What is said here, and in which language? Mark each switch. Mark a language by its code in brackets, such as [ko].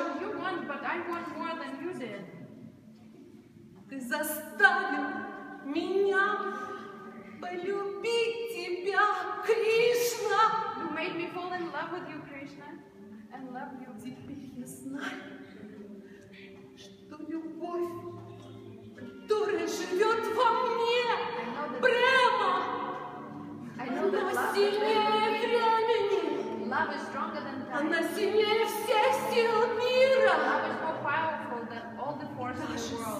[en] You won, but I won more than you did. [ru] Ты заставил меня полюбить тебя, Кришна. [en] You made me fall in love with you, Krishna. I love you. [ru] Теперь я знаю, что любовь, которая живет во мне, прямо, она сильнее времени. [en] Love is stronger than time. [ru] Она сильнее всех сил мира. [en] Love is more powerful than all the forces of the world.